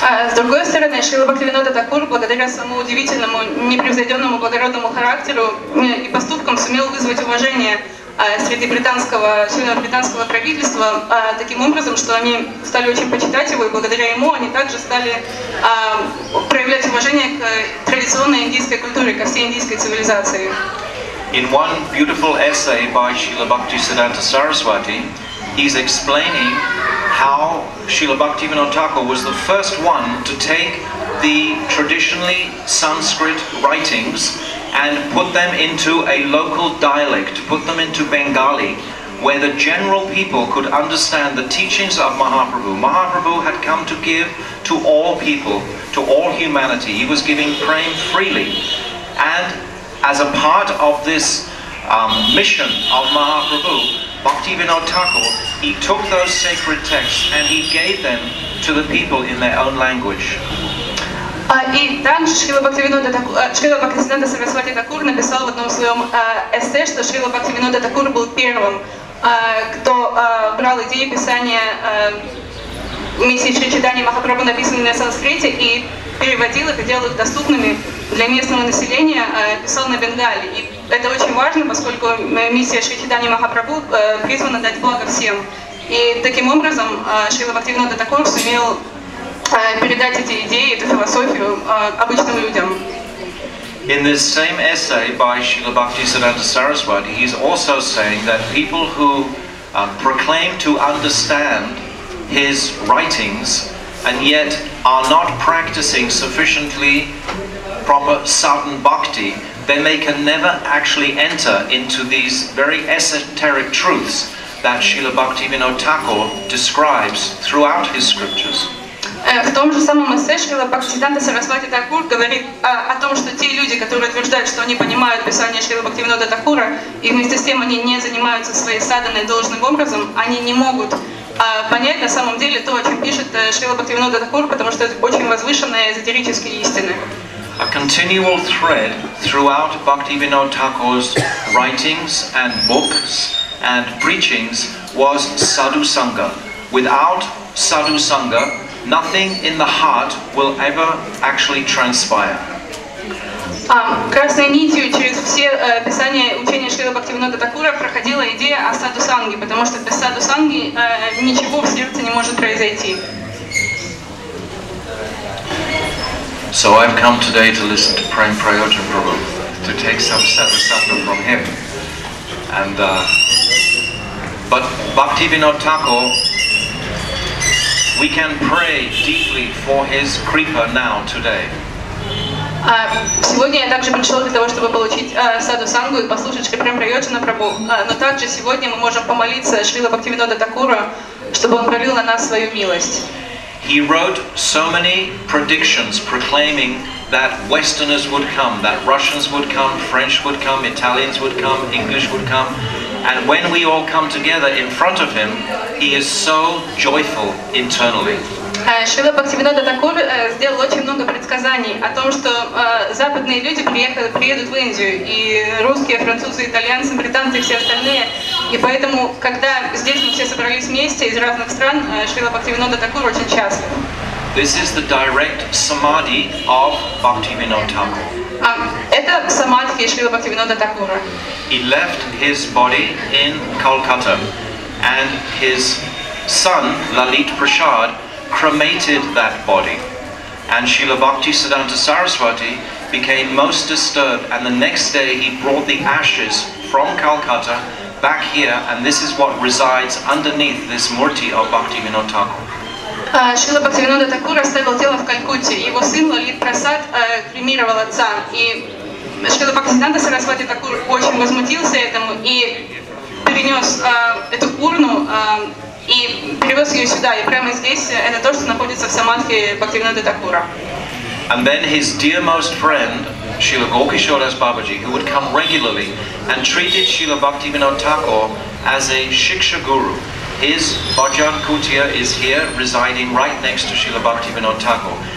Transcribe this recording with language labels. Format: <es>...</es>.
<ru>С другой стороны, Шрила Бхактивинода Такур, благодаря своему удивительному, непревзойденному, благородному характеру и поступкам, сумел вызвать уважение среди британского, сильного британского правительства таким образом, что они стали очень почитать его, и благодаря ему они также стали проявлять уважение к традиционной индийской культуре, ко всей индийской цивилизации.</ru> <en>In one beautiful essay by Srila Bhaktisiddhanta Saraswati, he's explaining how Srila Bhaktivinoda Thakur was the first one to take the traditionally Sanskrit writings and put them into a local dialect, put them into Bengali, where the general people could understand the teachings of Mahaprabhu. Mahaprabhu had come to give to all people, to all humanity. He was giving prema freely. And as a part of this mission of Mahaprabhu, Bhaktivinoda Thakur, he took those sacred texts and he gave them to the people in their own language.</en> <ru>И также Шрила Бхактисиддханта Сарасвати Такур написал в одном своем эссе, что Шрила Бхактивинода Такур был первым, кто брал идеи писания миссии Шри Чайтаньи Махапрабху, написанные на санскрите, и переводил их и делал их доступными для местного населения, писал на Бенгали. И это очень важно, поскольку миссия Шри Чайтаньи Махапрабху призвана дать благо всем. И таким образом Шрила Бхактивинода Такур сумел передать эти идеи, эту философию обычным людям.</ru> <en>In this same essay by Srila Bhaktisiddhanta Saraswati, he's also saying that people who proclaim to understand his writings and yet are not practicing sufficiently proper sadhan bhakti, then they can never actually enter into these very esoteric truths that Srila Bhaktivinoda Thakur describes throughout his scriptures.</en> <ru>В том же самом эссе Шрила Бхактисиддханта Сарасвати Такур говорит о том, что те люди, которые утверждают, что они понимают писание Шрила Бхактивинода Такура, и вместе с тем они не занимаются своей саданой должным образом, они не могут понять на самом деле то, о чем пишет Шрила Бхактивинода Такур, потому что это очень возвышенные эзотерические истины.</ru> <en>A continual thread throughout Bhaktivinoda Thakur's writings and books and preachings was sadhu sangha. Without sadhu sangha, nothing in the heart will ever actually transpire.</en> <ru>Красной нитью через все писания учения Шрила Бхактивинода Такура проходила идея о саду санги, потому что без саду санги ничего в сердце не может произойти.</ru> <en>So I've come today to listen to Prem Prayojan Prabhu, to take some sadhu sangha from him. And but Bhaktivinoda Thakur, we can pray deeply for his kripa now today.</en> <ru>Сегодня я также пришел для того, чтобы получить саду сангу и послушать Шри Прем Прайоджана Прабху. Но также сегодня мы можем помолиться Шрила Бхактивинода Такура, чтобы он пролил на нас свою милость.</ru> <en>He wrote so many predictions proclaiming that Westerners would come, that Russians would come, French would come, Italians would come, English would come. And when we all come together in front of him, he is so joyful internally.</en> <ru>Шрила Бхактивинода Такур сделал очень много предсказаний о том, что западные люди приедут в Индию, и русские, французы, итальянцы, британцы и все остальные. И поэтому, когда здесь мы все собрались вместе из разных стран, Шрила Бхактивинода Такур очень счастлив.</ru> <en>This is the direct samadhi of Bhaktivinoda Thakur.</en> <ru>Это самадхи Шрила Бхактивинода Такура.</ru> <en>He left his body in Kolkata, and his son Lalit Prasad cremated that body, and Srila Bhakti Siddhanta Saraswati became most disturbed, and the next day he brought the ashes from Calcutta back here, and this is what resides underneath this murti of Bhaktivinoda Thakur.</en> <ru>Шрила Бхактивинода Такур оставил тело в Калькутте, его сын Лалит Прасад кремировал отца, и Шрила Бхактисиддханта Сарасвати Такур очень возмутился этому и перенес эту урну и привез ее сюда, и прямо здесь это то, что находится в самадхи Бхактивинода Такура.</ru> <en>And then his dearmost friend, Srila Gaukishodas Babaji, who would come regularly and treated Srila Bhaktivinoda Thakur as a shiksha guru. His Bhajan Kutia is here, residing right next to Srila Bhaktivinoda Thakur.</en>